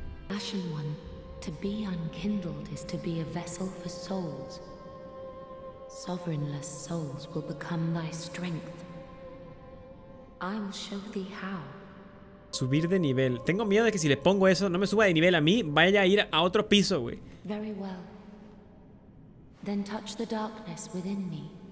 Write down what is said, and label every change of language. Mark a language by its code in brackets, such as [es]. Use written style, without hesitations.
[en] Ashen one, to be unkindled is to be a vessel for souls. Sovereignless souls will become thy strength. I will show thee how. [es] Subir de nivel. Tengo miedo de que si le pongo eso, no me suba de nivel a mí, vaya a ir a otro piso, güey. [en] Very well. Then touch the darkness within me.